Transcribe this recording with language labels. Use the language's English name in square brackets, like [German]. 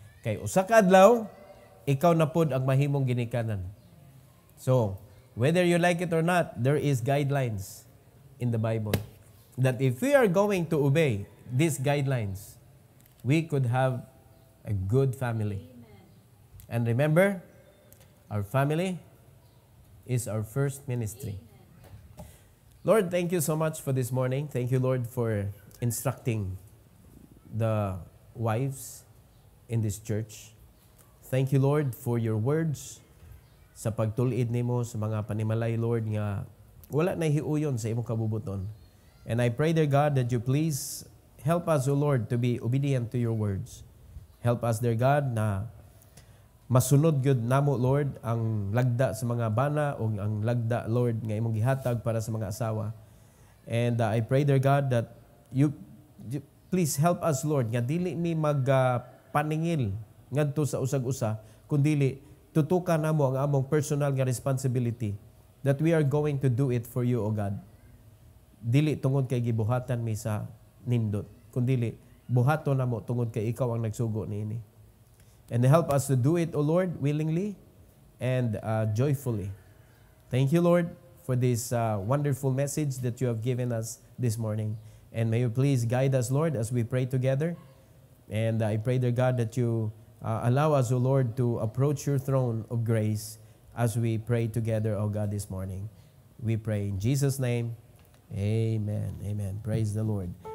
[Cebuano] Kay usa ka adlaw, ikaw na pud ang mahimong ginikanan. [English] So, whether you like it or not, there is guidelines in the Bible that if we are going to obey these guidelines, we could have a good family. Amen. And remember, our family is our first ministry. Lord, thank you so much for this morning. Thank you, Lord, for instructing the wives in this church. Thank you, Lord, for your words [Cebuano] sa pagtul-id nimo sa mga panimalay, Lord, nga wala na hiuyon sa imong kabubuton. [English] And I pray, dear God, that you please help us, O Lord, to be obedient to your words. Help us, dear God, [Cebuano] na masunod gyud namo, Lord, ang lagda sa mga bana o ang lagda, Lord, nga imong gihatag para sa mga asawa. [English] And I pray, dear God, that you please help us, Lord, [Cebuano] nga dili mi magpaningil ngadto sa usag-usa, kundili tutukan namo ang among personal nga [English] responsibility that we are going to do it for you, O God. [Cebuano] Dili tungod kay gibuhatan mi sa nindot, kundili buhato namo tungod kay ikaw ang nagsugo niini. [English] And help us to do it, O Lord, willingly and joyfully. Thank you, Lord, for this wonderful message that you have given us this morning. And may you please guide us, Lord, as we pray together. And I pray, dear God, that you allow us, O Lord, to approach your throne of grace as we pray together, O God, this morning. We pray in Jesus' name. Amen. Amen. Praise the Lord.